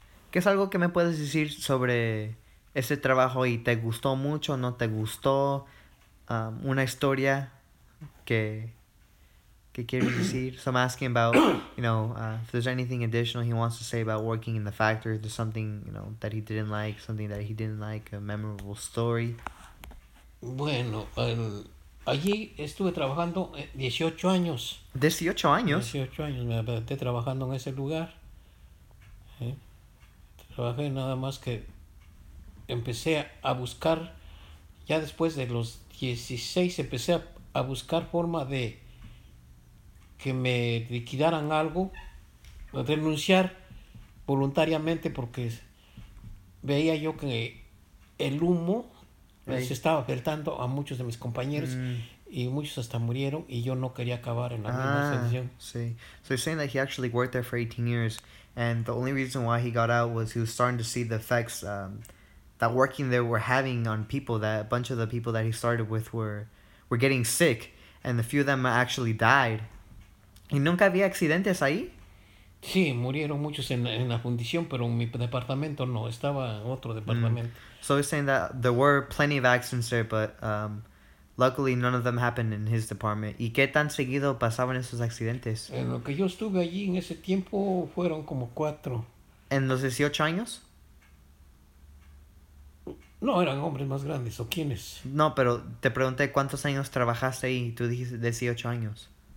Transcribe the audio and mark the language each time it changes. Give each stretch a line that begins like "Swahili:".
Spanish: ¿Qué es algo que me puedes decir sobre ese trabajo y te gustó mucho o no te gustó? Una historia que quieres decir.
English: So I'm asking about, you know, if there's anything additional he wants to say about working in the factory. If there's something, you know, that he didn't like, something that he didn't like, a memorable story.
Spanish: Bueno, allí estuve trabajando 18 años. ¿18 años? Me quedé trabajando en ese lugar. Trabajé nada más que empecé a buscar, ya después de los 16, empecé a buscar forma de que me liquidaran algo, renunciar voluntariamente porque veía yo que el humo se estaba afectando a muchos de mis compañeros y muchos hasta murieron y yo no quería acabar en la misma situación. Sí.
English: So you're saying that he actually worked there for 18 years. And the only reason why he got out was he was starting to see the effects that working there were having on people. That a bunch of the people that he started with were getting sick, and a few of them actually died.
Spanish: ¿Y nunca había accidentes ahí? Sí, murieron muchos en la fundición, pero en mi departamento no, estaba otro departamento.
English: So he's saying that there were plenty of accidents there, but luckily none of them happened in his department.
Spanish: ¿Y qué tan seguido pasaban esos accidentes? En lo que yo estuve allí en ese tiempo fueron como 4. ¿En los 18 años? No, eran hombres más grandes, ¿o quiénes? No, pero te pregunté cuántos años trabajaste ahí y tú dijiste 18 años.